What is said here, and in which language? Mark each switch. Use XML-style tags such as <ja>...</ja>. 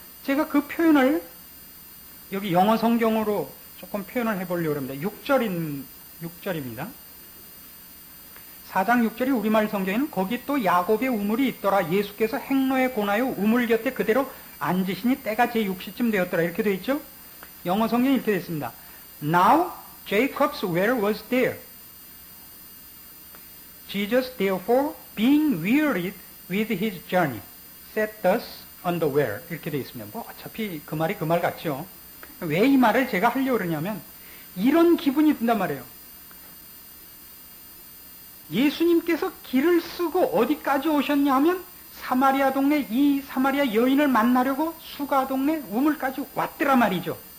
<ko>제가 그 표현을 여기 영어 성경으로 조금 표현을 해보려고 합니다. 6절입니다. 4장 6절이 우리말 성경에는 거기 또 야곱의 우물이 있더라. 예수께서 행로에 고나요 우물 곁에 그대로 앉으시니 때가 제6시쯤 되었더라. 이렇게 되어 있죠. 영어 성경이 이렇게 됐습니다.</ko> <en>Now Jacob's well was there. Jesus, therefore, being wearied with his journey, sat thus on the well.</en> <ko>이렇게 되어 있습니다. 뭐 어차피 그 말이 그 말 같죠. 왜 이 말을 제가 하려고 그러냐면 이런 기분이 든단 말이에요. 예수님께서 길을 쓰고 어디까지 오셨냐 하면 사마리아 동네 이 사마리아 여인을 만나려고 수가 동네 우물까지 왔더라 말이죠.</ko>